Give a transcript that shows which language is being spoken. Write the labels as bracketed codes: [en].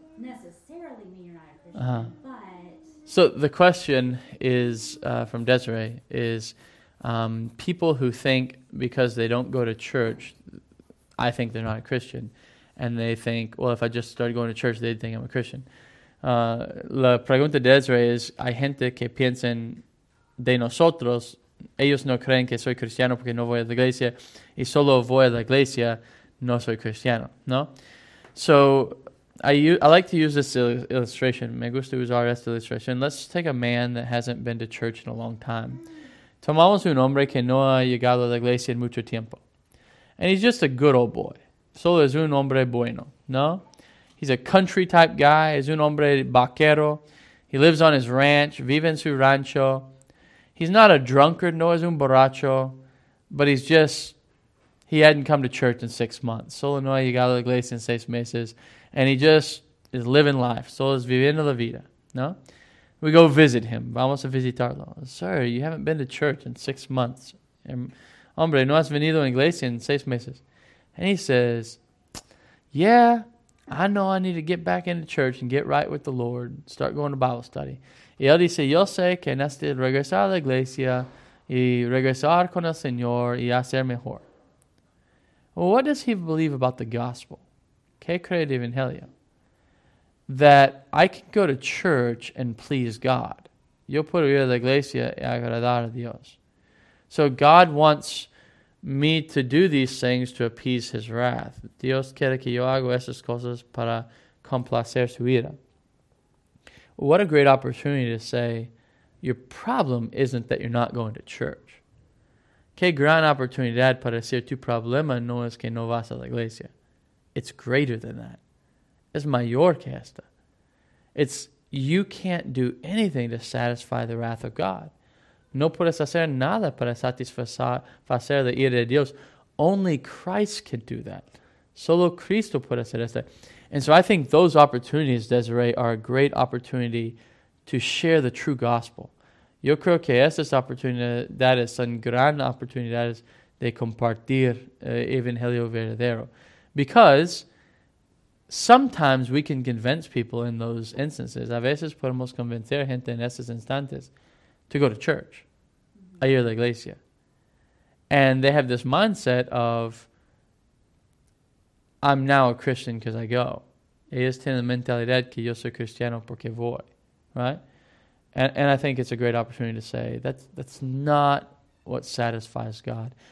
[en] necessarily mean you're not a Christian, uh-huh. but... So the question is, from Desiree, is people who think because they don't go to church, I think they're not a Christian. And they think, well, if I just started going to church, they'd think I'm a Christian. [es] La pregunta de Desiree es, hay gente que piensan de nosotros, ellos no creen que soy cristiano porque no voy a la iglesia, y solo voy a la iglesia, no soy cristiano, ¿no? [en] So, I like to use this illustration. [es] Me gusta usar esta ilustración. [en] Let's take a man that hasn't been to church in a long time. [es] Tomamos un hombre que no ha llegado a la iglesia en mucho tiempo. [en] And he's just a good old boy. [es] Solo es un hombre bueno, ¿no? [en] He's a country type guy. [es] Es un hombre vaquero. [en] He lives on his ranch. [es] Vive en su rancho. [en] He's not a drunkard. [es] No es un borracho. [en] But he's just, he hadn't come to church in 6 months. [es] Solo no ha llegado a la iglesia en 6 meses. [en] And he just is living life. [es] Solo es viviendo la vida, ¿no? [en] We go visit him. [es] Vamos a visitarlo. [en] Sir, you haven't been to church in 6 months. [es] Hombre, no has venido a la iglesia en 6 meses. [en] And he says, yeah, I know I need to get back into church and get right with the Lord, start going to Bible study. [es] Y él dice, yo sé que necesito regresar a la iglesia y regresar con el Señor y hacer mejor. [en] Well, what does he believe about the gospel? [es] ¿Qué cree de Evangelio? [en] That I can go to church and please God. [es] Yo puedo ir a la iglesia y agradar a Dios. [en] So God wants me to do these things to appease his wrath. [es] Dios quiere que yo haga esas cosas para complacer su ira. [en] What a great opportunity to say, your problem isn't that you're not going to church. [es] Qué gran oportunidad para decir tu problema no es que no vas a la iglesia. [en] It's greater than that. [es] Es mayor que esta. [en] It's you can't do anything to satisfy the wrath of God. [es] No puedes hacer nada para satisfacer la ira de Dios. [en] Only Christ can do that. [es] Solo Cristo puede hacer esto. [en] And so I think those opportunities, Desiree, are a great opportunity to share the true gospel. [es] Yo creo que esa es oportunidad, es una gran oportunidad de compartir evangelio verdadero. [en] Because sometimes we can convince people in those instances. [es] A veces podemos convencer gente en esos instantes [en] to go to church. [es] A ir a la iglesia. [en] And they have this mindset of, I'm now a Christian because I go. [es] Ellos tienen la mentalidad que yo soy cristiano porque voy. [en] Right? And I think it's a great opportunity to say, that's not what satisfies God.